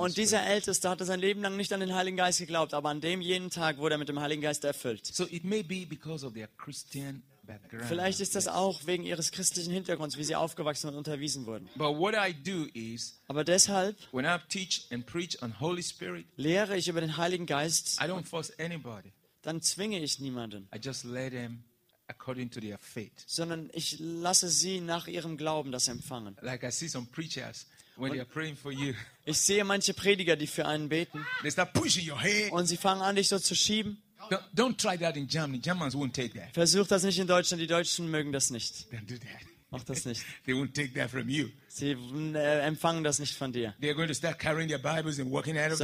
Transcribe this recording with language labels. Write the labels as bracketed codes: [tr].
[de] Und dieser Älteste hatte sein Leben lang nicht an den Heiligen Geist geglaubt, aber an dem jenen Tag wurde er mit dem Heiligen Geist erfüllt. [en] So it may be because of their Christian background. [de] Vielleicht ist das auch wegen ihres christlichen Hintergrunds, wie sie aufgewachsen und unterwiesen wurden. [en] But what I do is, [de] aber deshalb, [en] when I teach and preach on Holy Spirit, [de] lehre ich über den Heiligen Geist. [en] I don't force anybody. [de] Dann zwinge ich niemanden. [en] I just let them according to their faith. [de] Sondern ich lasse sie nach ihrem Glauben das empfangen. [en] Like I see some preachers when they are praying for you. [de] Ich sehe manche Prediger, die für einen beten. [en] They start pushing your head. [de] Und sie fangen an, dich so zu schieben. [en] Don't try that in Germany. Germans won't take that. [de] Versuch das nicht in Deutschland. Die Deutschen mögen das nicht. [en] Don't do that. [de] Mach das nicht. [en] They won't take that from you. [de] Sie empfangen das nicht von dir. [en] They are going to start carrying their Bibles and walking out of the